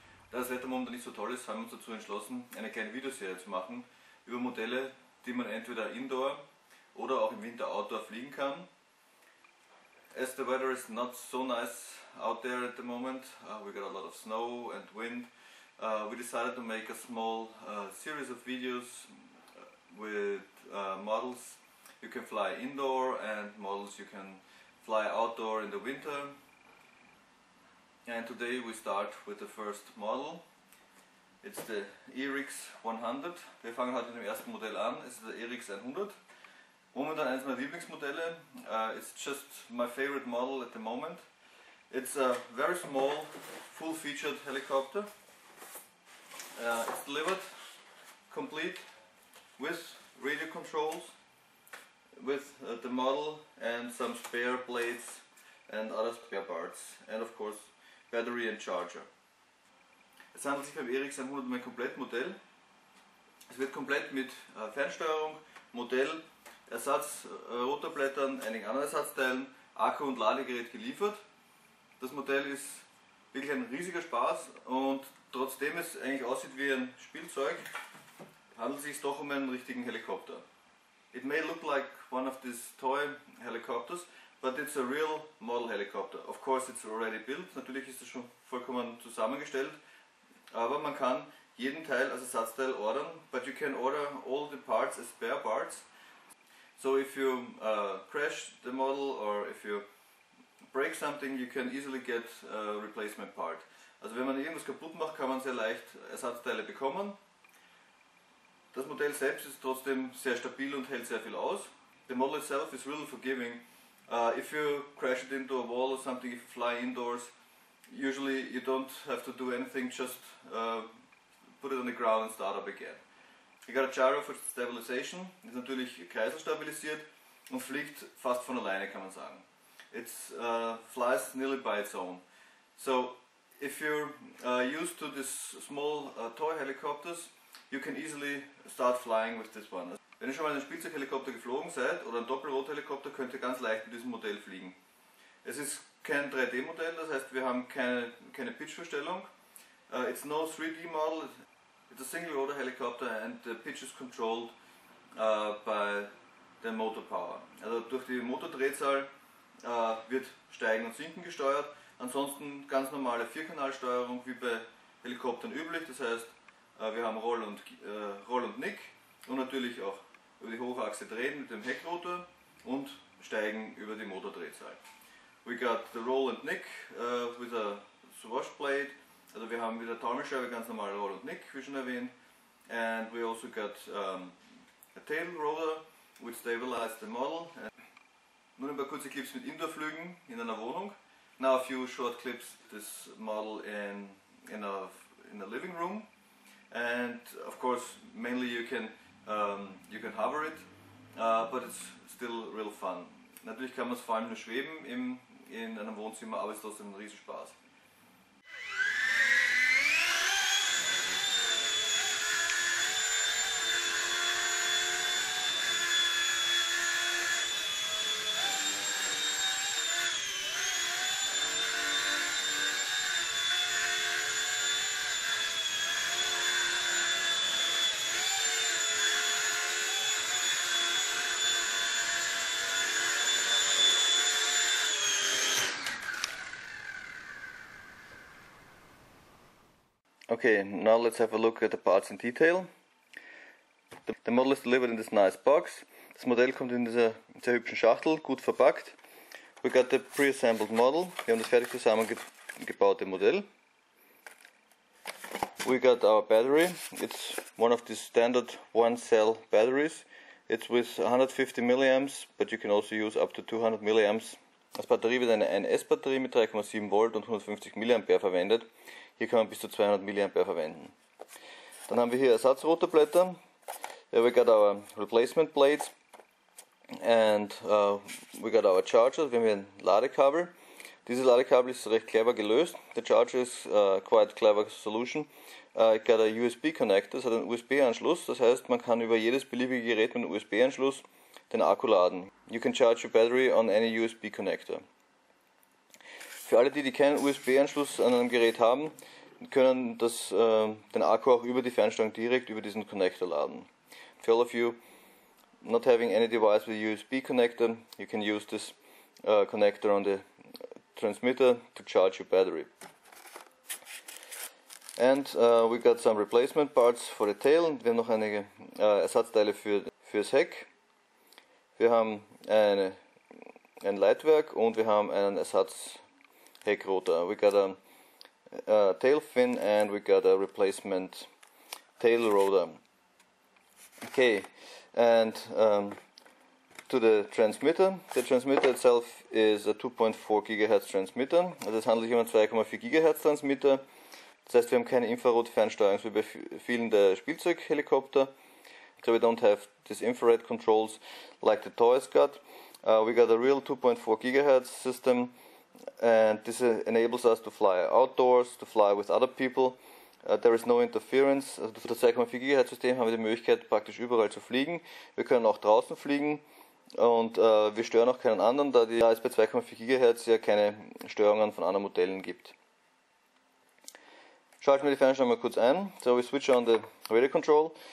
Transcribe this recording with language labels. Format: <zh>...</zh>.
<de>Da das Wetter momentan nicht so toll ist, haben wir uns dazu entschlossen, eine kleine Videoserie zu machen über Modelle, die man entweder indoor oder auch im Winter outdoor fliegen kann.</de> <en>As the weather is not so nice out there at the moment, we got a lot of snow and wind, we decided to make a small series of videos with models you can fly indoor and models you can fly outdoor in the winter. And today we start with the first model. It's the ERIX 100.</en> <de>Wir fangen heute mit dem ersten Modell an. Es ist der ERIX 100. Momentan eines meiner Lieblingsmodelle.</de> <en>It's just my favorite model at the moment. It's a very small, full-featured helicopter. It's delivered complete with radio controls, with the model and some spare blades and other spare parts. And of course, Battery and Charger.</en> <de>Es handelt sich beim ERIX 100 um ein Komplettmodell. Es wird komplett mit Fernsteuerung, Modell, Ersatz, Rotorblättern, einigen anderen Ersatzteilen, Akku und Ladegerät geliefert. Das Modell ist wirklich ein riesiger Spaß und trotzdem es eigentlich aussieht wie ein Spielzeug, handelt es sich doch um einen richtigen Helikopter.</de> <en>It may look like one of these toy helicopters, but it's a real model helicopter. Of course it's already built,</en> <de>natürlich ist es schon vollkommen zusammengestellt, aber man kann jeden Teil als Ersatzteil ordern,</de> <en>but you can order all the parts as spare parts. So if you crash the model or if you break something, you can easily get a replacement part.</en> <de>Also wenn man irgendwas kaputt macht, kann man sehr leicht Ersatzteile bekommen. Das Modell selbst ist trotzdem sehr stabil und hält sehr viel aus.</de> <en>The model itself is really forgiving. If you crash it into a wall or something, if you fly indoors, usually you don't have to do anything, just put it on the ground and start up again. You got a gyro for stabilization,</en> <de>ist natürlich kaiserstabilisiert und fliegt fast von alleine, kann man sagen.</de> <en>It flies nearly by its own. So, if you're used to these small toy helicopters, you can easily start flying with this one.</en> <de>Wenn ihr schon mal einen Spielzeughelikopter geflogen seid oder einen Doppelrotorhelikopter, könnt ihr ganz leicht mit diesem Modell fliegen. Es ist kein 3D-Modell, das heißt, wir haben keine Pitch-Verstellung.</de> <en>It's no 3D-Model, it's a single-rotor-Helikopter and the pitch is controlled by the motor power.</en> <de>Also durch die Motordrehzahl wird Steigen und Sinken gesteuert. Ansonsten ganz normale Vierkanalsteuerung wie bei Helikoptern üblich, das heißt, wir haben Roll und Nick. Und natürlich auch über die Hochachse drehen mit dem Heckrotor und steigen über die Motordrehzahl.</de> <en>We got the Roll and Nick with a swash blade.</en> <de>Also wir haben wieder Taumelscheibe, ganz normal Roll und Nick, wie schon erwähnt.</de> <en>And we also got a tail rotor, which stabilized the model.</en> <de>Nur ein paar kurze Clips mit Indoorflügen in einer Wohnung.</de> <en>Now a few short clips, this model in a living room. And of course, mainly you can hover it, but it's still real fun.</en> <de>Natürlich kann man es vor allem nur schweben in einem Wohnzimmer, aber es ist trotzdem ein Riesenspaß.</de> <en>Okay, now let's have a look at the parts in detail. The model is delivered in this nice box.</en> <de>Das Modell kommt in dieser sehr hübschen Schachtel, gut verpackt.</de> <en>We got the pre-assembled model.</en> <de>Wir haben das fertig zusammengebaute Modell.</de> <en>We got our battery. It's one of the standard one-cell batteries. It's with 150 milliamps, but you can also use up to 200 milliamps.</en> <de>Als Batterie wird eine NS-Batterie mit 3,7 Volt und 150 mA verwendet. Hier kann man bis zu 200 mA verwenden. Dann haben wir hier Ersatzrotorblätter.</de> <en>We got our replacement blades. And we got our charger.</en> <de>Wir haben hier ein Ladekabel. Dieses Ladekabel ist recht clever gelöst.</de> <en>The charger is quite clever solution. It got a USB connector.</en> <de>Es hat einen USB-Anschluss. Das heißt, man kann über jedes beliebige Gerät mit einem USB-Anschluss den Akku laden.</de> <en>You can charge your battery on any USB connector.</en> <de>Für alle, die keinen USB-Anschluss an einem Gerät haben, können das den Akku auch über die Fernsteuerung direkt über diesen Connector laden.</de> <en>For all of you not having any device with a USB connector, you can use this connector on the transmitter to charge your battery. And we got some replacement parts for the tail.</en> <de>Wir haben noch einige Ersatzteile fürs Heck. Wir haben ein Leitwerk und wir haben einen Ersatzheckrotor.</de> <en>We got a tail fin and we got a replacement tail rotor. Okay, and to the transmitter. The transmitter itself is a 2.4 GHz transmitter.</en> <de>Also es handelt sich um einen 2,4 GHz Transmitter. Das heißt, wir haben keine Infrarot-Fernsteuerung, so wie bei vielen der Spielzeughelikopter.</de> <en>So we don't have these infrared controls like the toys got. We got a real 2.4 GHz system and this enables us to fly outdoors, to fly with other people. There is no interference.</en> <de>Also durch das 2,4 GHz System haben wir die Möglichkeit praktisch überall zu fliegen. Wir können auch draußen fliegen und wir stören auch keinen anderen, da es bei 2,4 GHz ja keine Störungen von anderen Modellen gibt. Schalten wir die Fernsteuerung mal kurz ein.</de> <en>So we switch on the radio control.</en>